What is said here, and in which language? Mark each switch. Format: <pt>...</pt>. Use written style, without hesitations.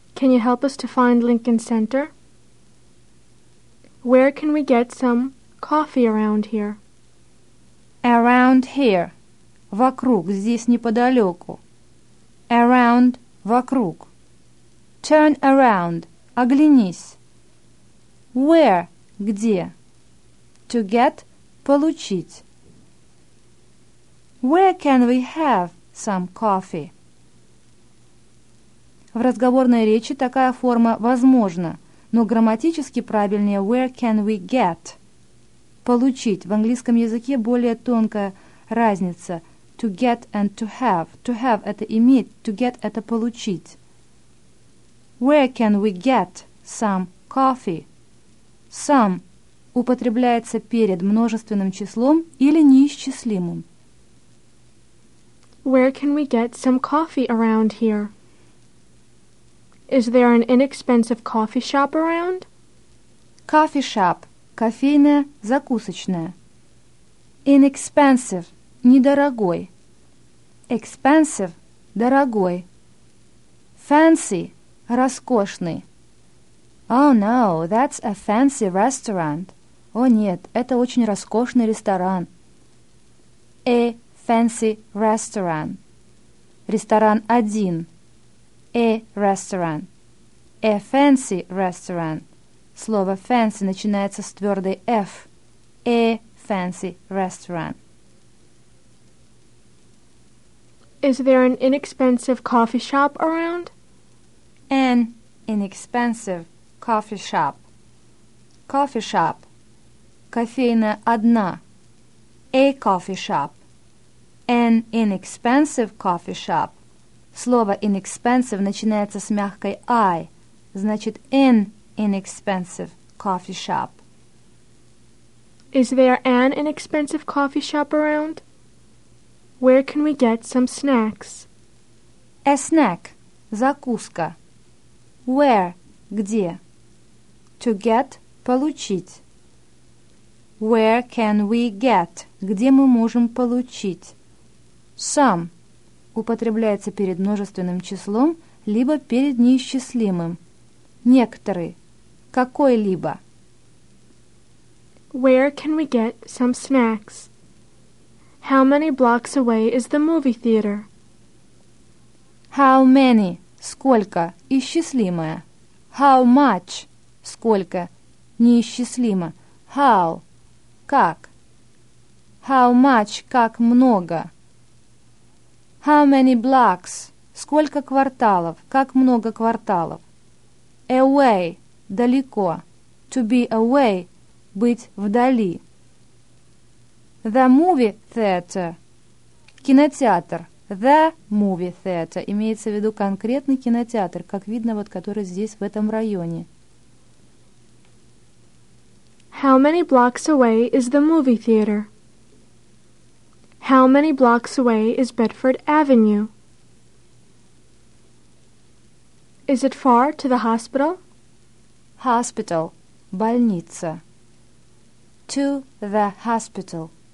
<en>Can you help us to find Lincoln Center? Where can we get some coffee around here? Around here.</en> <ru>Вокруг, здесь неподалеку.</ru> <en>Around,</en> <ru>вокруг.</ru> <en>Turn around.</en> <ru>Оглянись.</ru> <en>Where,</en> <ru>где?</ru> <en>To get,</en> <ru>получить.</ru> <en>Where can we have some coffee?</en> <ru>В разговорной речи такая форма возможна, но грамматически правильнее</ru> <en>where can we get?</en> <ru>Получить. В английском языке более тонкая разница.</ru> <en>To get and to have. To have –</en> <ru>это иметь,</ru> <en>to get –</en> <ru>это получить.</ru> <en>Where can we get some coffee?</en> <ru>Some употребляется перед множественным числом или неисчислимым.</ru> <en>Where can we get some coffee around here? Is there an inexpensive coffee shop around?</en> <ru>Coffee shop – кофейная, закусочная. Inexpensive – недорогой. Expensive – дорогой. Fancy – роскошный.</ru> <en>Oh no, that's a fancy restaurant.</en> <ru>О нет, это очень роскошный ресторан.</ru> <en>A fancy restaurant.</en> <ru>Ресторан один.</ru> <en>A restaurant. A fancy restaurant.</en> <ru>Слово fancy начинается с твердой F.</ru> <en>A fancy restaurant. Is there an inexpensive coffee shop around? An inexpensive coffee shop. Coffee shop.</en> <ru>Кофейная одна.</ru> <en>A coffee shop. An inexpensive coffee shop.</en> <ru>Слово inexpensive начинается с мягкой I. Значит,</ru> <en>an inexpensive coffee shop. Is there an inexpensive coffee shop around? Where can we get some snacks? A snack.</en> <ru>Закуска.</ru> <en>Where?</en> <ru>Где?</ru> <en>To get.</en> <ru>Получить.</ru> <en>Where can we get?</en> <ru>Где мы можем получить?</ru> <en>Some.</en> <ru>Употребляется перед множественным числом, либо перед неисчислимым. Некоторые. Какой-либо.</ru> <en>Where can we get some snacks? How many blocks away is the movie theater? How many?</en> <ru>Сколько? Исчислимое.</ru> <en>How much?</en> <ru>Сколько? Неисчислимо.</ru> <en>How?</en> <ru>Как?</ru> <en>How much?</en> <ru>Как много?</ru> <en>How many blocks?</en> <ru>Сколько кварталов? Как много кварталов? Away. Далеко.</ru> <en>To be away.</en> <ru>Быть вдали.</ru> <en>The movie theater.</en> <ru>Кинотеатр.</ru> <en>The movie theater.</en> <ru>Имеется в виду конкретный кинотеатр, как видно, вот который здесь, в этом районе.</ru> <en>How many blocks away is the movie theater? How many blocks away is Bedford Avenue? Is it far to the hospital? Hospital.</en> <ru>Больница.</ru> <en>To the hospital.</en>